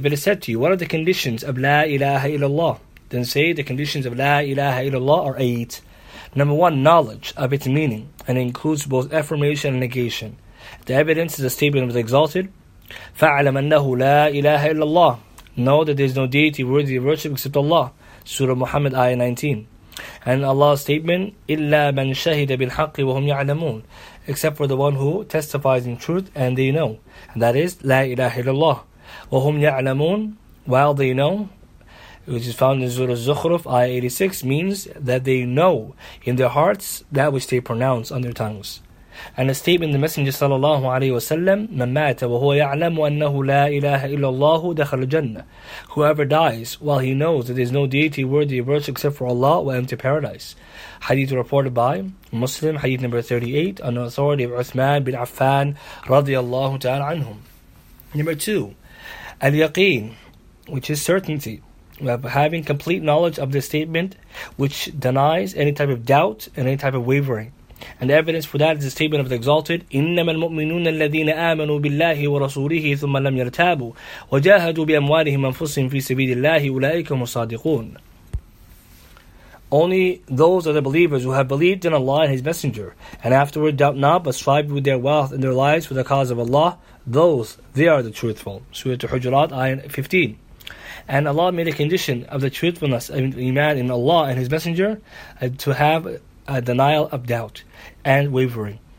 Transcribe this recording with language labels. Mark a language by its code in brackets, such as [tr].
[en] If it is said to you, what are the conditions of La ilaha illallah? Then say, the conditions of La ilaha illallah are 8. Number 1, knowledge of its meaning, and it includes both affirmation and negation. The evidence is a statement of the Exalted. [ar] فَعْلَمْ أَنَّهُ لَا إِلَٰهَ إِلَّا اللَّهِ. [en] Know that there is no deity worthy of worship except Allah. Surah Muhammad, Ayah 19. And Allah's statement, [ar] إِلَّا مَنْ شَهِدَ بِالْحَقِّ وَهُمْ يَعْلَمُونَ. [en] Except for the one who testifies in truth and they know. And that is, [ar] لَا إِلَٰهَ إِلَّا اللَّهِ. وَهُمْ يَعْلَمُونَ. [en] While they know, which is found in Surah Zukhruf, Ayah 86, means that they know in their hearts that which they pronounce on their tongues. And a statement, the Messenger sallallahu alaihi wasallam, [ar] مَنْ مَاتَ وَهُوَ يَعْلَمُ أَنَّهُ لَا إِلَٰهَ إِلَّا اللَّهُ دَخَلَ الْجَنَّةِ. [en] Whoever dies while he knows that there is no deity worthy of worship except for Allah will enter paradise. Hadith reported by Muslim, Hadith number 38, on the authority of Uthman bin Affan radiallahu ta'ala anhum. Number 2, al-yaqeen, which is certainty. Having complete knowledge of this statement, which denies any type of doubt and any type of wavering. And the evidence for that is the statement of the Exalted, [ar] إِنَّمَا الْمُؤْمِنُونَ الَّذِينَ آمَنُوا بِاللَّهِ وَرَسُولِهِ ثُمَّ لَمْ يَرْتَابُوا وَجَاهَدُوا بِأَمْوَالِهِمْ أَنفُسِهِمْ فِي سَبِيلِ اللَّهِ أُولَٰئِكَ هُمُ الصَّادِقُونَ. [en] Only those are the believers who have believed in Allah and His Messenger, and afterward doubt not, but strive with their wealth and their lives for the cause of Allah. Those, they are the truthful. Surah Al-Hujurat, Ayah 15. And Allah made a condition of the truthfulness of iman in Allah and His Messenger to have a denial of doubt and wavering.